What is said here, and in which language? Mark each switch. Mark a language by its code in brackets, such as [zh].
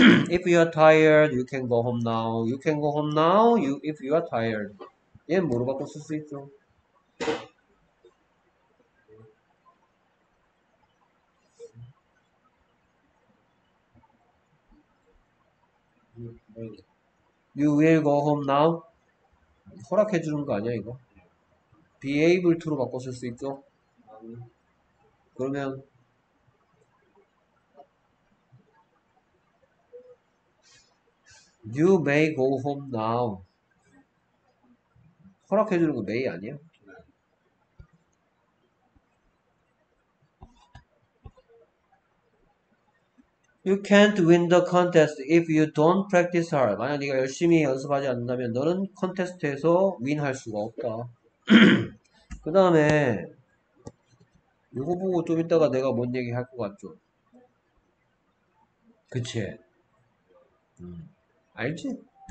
[en] If you are tired, you can go home now. You can go home now. If you are tired. [ko] 얘는 뭐로 바꿔 쓸수 있죠? [en] You will go home now? [ko] 허락해 주는 거 아니야, 이거? Be able to로 바꿔 쓸수 있죠? 그러면, [en] 'You may go home now.' [ko] 허락해 주는 거 may 아니야? [en] 'You can't win the contest if you don't practice hard.' [ko] 만약 네가 열심히 연습하지 않는다면 너는 콘테스트에서 윈할 수가 없다. 그 다음에 이거 보고 좀 이따가 내가 뭔 얘기 할것 같죠? 그치? 알지?